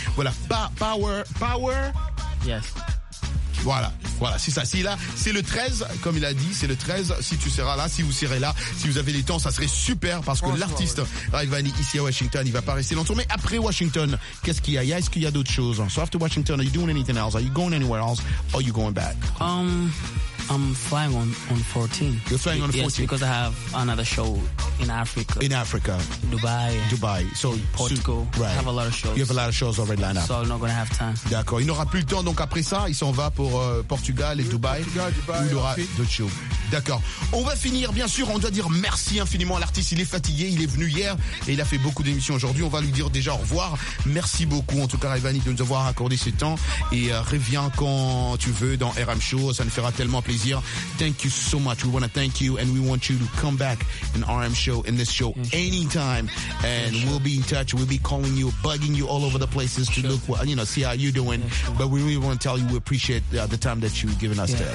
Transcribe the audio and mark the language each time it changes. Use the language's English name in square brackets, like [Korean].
[French] Voilà, Power. [English] Yes. [French] Voilà, c'est ça. C'est là, c'est le 13, comme il a dit, c'est le 13. Si tu seras là, si vous serez là, si vous avez les temps, ça serait super parce que l'artiste Rayvanny ici à Washington, il va pas rester longtemps. Mais après Washington, qu'est-ce qu'il y a? Est-ce qu'il y a d'autres choses? [English] So after Washington, are you doing anything else? Are you going anywhere else? Or are you going back? I'm flying on 14. You're flying on 14? Yes, because I have another show in Africa. In Africa. Dubai. So, Portugal. Right. I have a lot of shows. You have a lot of shows already lined up. So I'm not going to have time. [French] D'accord. Il n'aura plus le temps, donc après ça, il s'en va pour Portugal et Dubaï. Portugal, Dubaï. Où il aura d'autres shows. D'accord. On va finir, bien sûr, on doit dire merci infiniment à l'artiste. Il est fatigué, il est venu hier et il a fait beaucoup d'émissions aujourd'hui. On va lui dire déjà au revoir. Merci beaucoup, en tout cas, Rayvanny, de nous avoir accordé ce temps. Et reviens quand tu veux dans RM Show. Ça nous fera tellement plaisir. [English] Thank you so much. We want to thank you and we want you to come back in RM Show, in this show, anytime. And we'll be in touch. We'll be calling you, bugging you all over the places to look, you know, see how you're doing. But we really want to tell you we appreciate the time that you've given us today.